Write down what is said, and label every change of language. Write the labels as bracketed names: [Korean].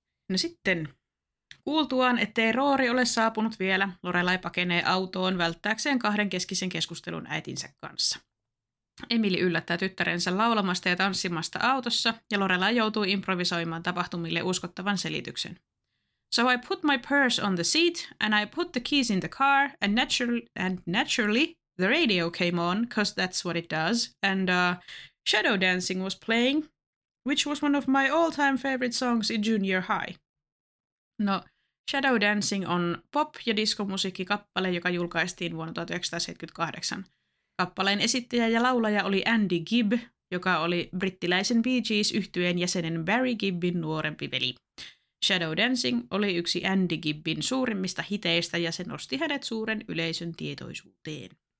[Finnish] No sitten, kuultuaan, ettei Roori ole saapunut vielä, Lorelai pakenee autoon välttääkseen kahdenkeskisen keskustelun äitinsä kanssa. Emily yllättää tyttärensä laulamasta ja tanssimasta autossa, ja Lorelai joutuu improvisoimaan tapahtumille uskottavan selityksen. [English] So I put my purse on the seat, and I put the keys in the car, and naturally, the radio came on, 'cause that's what it does, and Shadow Dancing was playing, which was one of my all-time favorite songs in junior high. [Finnish] No, Shadow Dancing on pop- ja diskomusiikkikappale, joka julkaistiin vuonna 1978. Kappaleen esittäjä ja laulaja oli Andy Gibb, joka oli brittiläisen Bee Gees-yhtyeen jäsenen Barry Gibbin nuorempi veli. Shadow Dancing oli yksi Andy Gibbin suurimmista hiteistä ja se nosti hänet suuren yleisön tietoisuuteen.